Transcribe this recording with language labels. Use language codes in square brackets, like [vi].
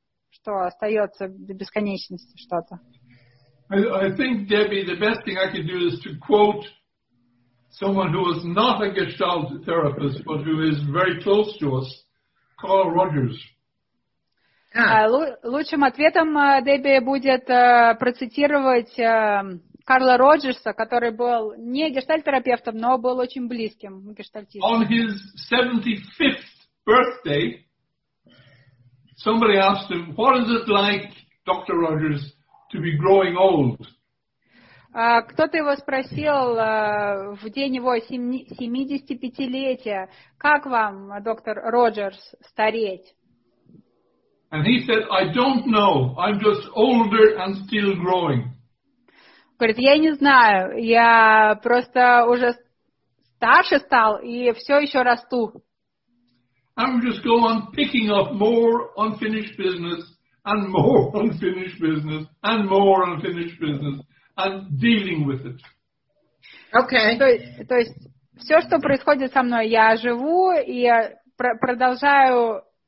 [ru] Что остается до бесконечности что-то. [en] I think, Debbie, the best thing I could do is to quote someone who is not a Gestalt therapist, but who is very close to us, Carl Rogers. [ru] Лучшим ответом, Дебби, будет процитировать Карла Роджерса, который был не гештальт-терапевтом, но был очень близким к гештальтистам. [en] On his 75th birthday, somebody asked him, what is it like, Dr. Rogers, to be growing old? [ru] Кто-то его спросил в день его 75-летия, как вам, доктор Роджерс, стареть? [en] And he said, I don't know. I'm just older and still growing. [ru] Говорит, я не знаю. Я просто уже старше стал и все еще расту. [en] I'm just going on picking up more unfinished business and more unfinished business and more unfinished business and dealing with it. Okay. [ru] То есть все, что происходит со мной, я живу и продолжаю.